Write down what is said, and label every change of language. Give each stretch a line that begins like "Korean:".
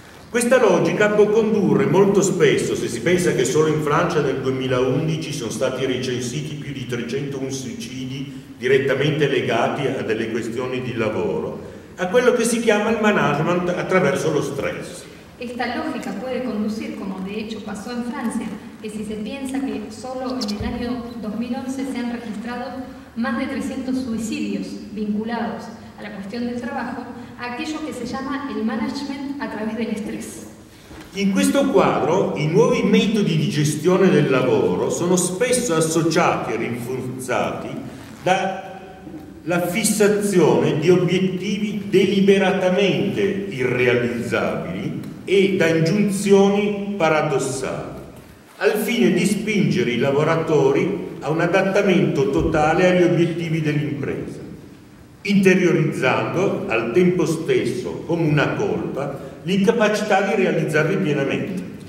Italian: Questa logica può condurre molto spesso, se si pensa che solo in Francia nel 2011 sono stati recensiti più di 301 suicidi direttamente legati a delle questioni di lavoro, a quello che si chiama il management attraverso lo stress.
Spanish: Esta logica puede conducir, como de hecho pasó en Francia, que si se piensa que solo en el año 2011 se han registrado más de 300 suicidios vinculados a la cuestión del trabajo, a aquello que se llama el management a través del estrés.
Italian: In questo quadro, i nuovi metodi di gestione del lavoro sono spesso associati e rinforzati da la fissazione di obiettivi deliberatamente irrealizzabili e da ingiunzioni paradossali, al fine di spingere i lavoratori a un adattamento totale agli obiettivi dell'impresa, interiorizzando al tempo stesso, come una colpa, l'incapacità di realizzarli pienamente.